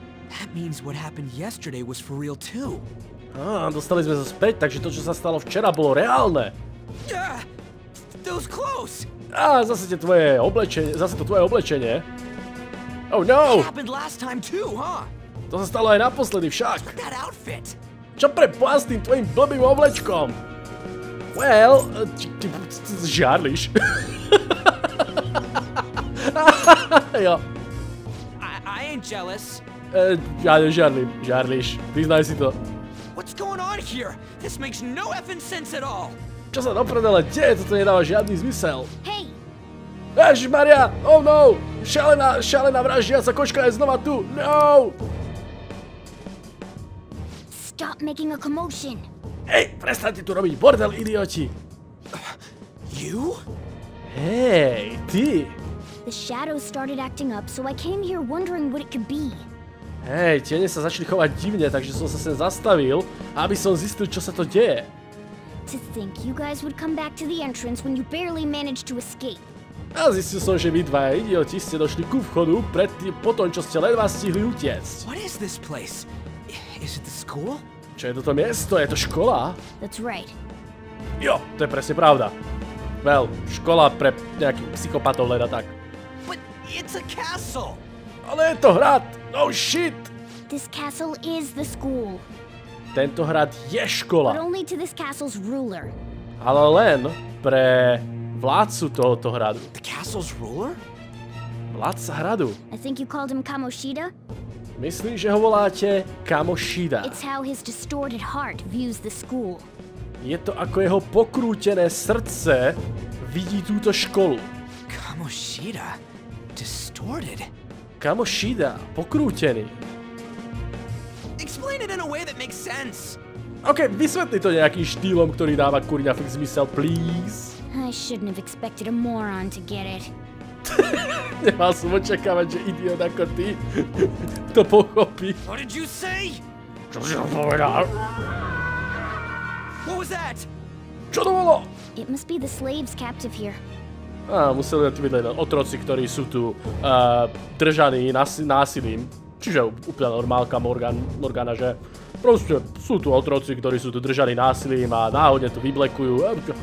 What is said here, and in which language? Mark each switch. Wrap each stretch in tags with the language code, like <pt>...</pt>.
<en>That means what happened yesterday was for real too.</en> <sk>Dostali sme sa späť, takže to, čo sa stalo včera, bolo reálne.</sk> <en>Those clothes.</en> <sk>Zase to tvoje oblečenie.</sk> <en>Oh no. It happened last time too, huh?</en> <sk>To sa stalo aj naposledy však.</sk> <en>That outfit.</en> <sk>Čo prepoja s tým tvojim blbým oblečkom? Well, ty žiarliš. Jo.</sk> <en>I ain't jealous.</en> <sk>Ja nežiarlím, žiarliš. Priznaj si to.</sk> <en>What's going on here? This makes no effing sense at all.</en> <sk>Čo sa doprdele deje? Toto nedáva žiadny zmysel.</sk> <en>Hey.</en> <sk>Ježišmaria,</sk> <en>oh no.</en> <sk>Šialená vražiaca kočka je znova tu. No.</sk> <en>Stop making a commotion.</en> <sk>Hej, prestaňte tu robiť bordel, idioti.</sk> <en>You?</en> <sk>Hey, ty.</sk> <en>The shadows started acting up, so I came here wondering what it could be.</en> <sk>Hey, tiene sa začali chovať divne, takže som sa sem zastavil, aby som zistil, čo sa to deje.</sk> <en>To think you guys would come back to the entrance when you barely managed to escape.</en> <sk>A zistil som, že vy dva idioti ste došli ku vchodu potom, čo ste ledva stihli utiecť.</sk> <en>What is this place? Is it the school?</en> <sk>Čo je toto miesto? Je to škola?</sk> <en>That's right.</en> <sk>Jo, to je presne pravda. Well, škola pre nejakých psychopatov leda tak.</sk> <en>But it's a castle!</en> <sk>Ale je to hrad!</sk> <en>No shit! This castle is the school.</en> <sk>Tento hrad je škola.</sk> <en>But only to this castle's ruler.</en> <sk>Ale len pre vládcu tohoto hradu.</sk> <en>The castle's ruler?</en> <sk>Vládca hradu.</sk> <en>I think you called him Kamoshida?</en> <sk>Myslím, že ho voláte Kamoshida.</sk> <en>It's how his distorted heart views the school.</en> <sk>Je to ako jeho pokrútené srdce vidí túto školu.</sk> <en>Kamoshida? Distorted?</en> <sk>Kamoshida, pokrútený.</sk> <en>Explain it in a way that makes sense.</en> <sk>OK, vysvetli to nejakým štýlom, ktorý dáva kurňa fix zmysel, please.</sk> <en>I shouldn't have expected a moron to get it.</en> <sk>Nemal som očakávať, že idiot ako ty to pochopí.</sk> <en>What did you say?</en> <sk>Čo si to povedal?</sk> <en>What was that?</en> <sk>Čo to bolo?</sk> <en>It must be the slaves captive here.</en> <sk>Museli to byť len otroci, ktorí sú tu držaní násilím. Čiže úplne normálka Morgana, že proste sú tu otroci, ktorí sú tu držaní násilím a náhodne tu vyblekujú.</sk>